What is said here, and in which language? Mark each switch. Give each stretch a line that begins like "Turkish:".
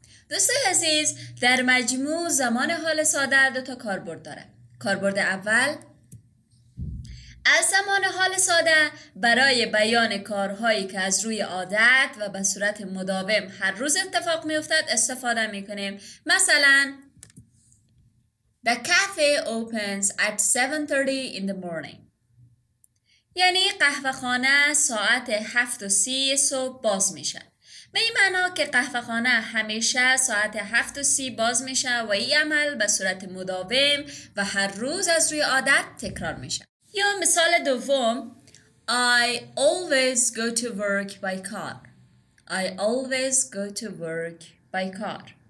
Persian: دوستان عزیز، در مجموع زمان حال ساده دو تا کاربرد داره. کاربرد اول، از زمان حال ساده برای بیان کارهایی که از روی عادت و به صورت مداوم هر روز اتفاق میفتد استفاده میکنیم.
English: مثلا The cafe opens at 7:30 in the morning.
Persian: یعنی قهوه خانه ساعت 7:30 صبح باز میشه. به این معنا که قهوه خانه همیشه ساعت 7:30 باز میشه و این عمل به صورت مداوم و هر روز از روی عادت تکرار میشه. یا مثال دوم،
English: I always go to work by car.